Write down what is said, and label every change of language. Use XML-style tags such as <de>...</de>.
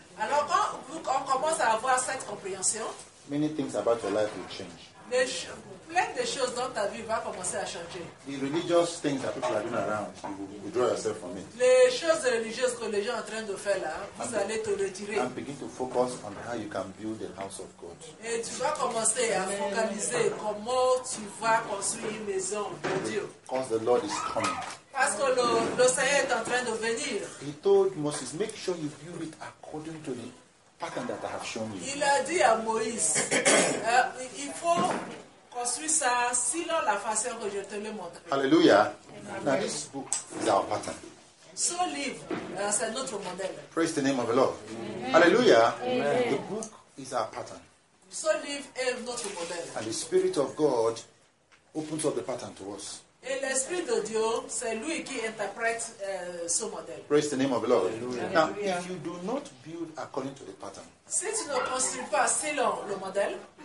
<fr>alors quand on commence à avoir cette compréhension,</fr> <en>many things about your life will change.</en> <fr>Plein de choses dans ta vie va commencer à changer.</fr> <en>The religious things that people are doing around, you will withdraw yourself from it.</en> <fr>Les choses religieuses que les gens sont en train de faire là, vous allez te retirer.</fr> <en>And begin to focus on how you can build the house of God.</en> <fr>Et tu vas commencer à focaliser comment tu vas construire une maison de Dieu.</fr> <en>Because the Lord is coming.</en> <fr>Parce que le Seigneur est en train de venir.</fr> <en>He told Moses, make sure you build it according to the pattern that I have shown you.</en> <fr>Il a dit à Moïse, il faut construis ça selon la façon que je te le montre.</fr> <en>Alléluia. Now this book is our pattern.</en> <fr>Ce livre, c'est notre modèle.</fr> <en>Praise the name of the Lord. Alléluia. The book is our pattern.</en> <fr>Ce livre est notre modèle.</fr> <en>And the Spirit of God opens up the pattern to us.</en> <fr>Et l'Esprit de Dieu, c'est lui qui interprète ce modèle.</fr> <en>Praise the name of the Lord. Alléluia. Now, if you do not build according to the pattern,</en> <fr>si tu ne construis pas selon le modèle,</fr>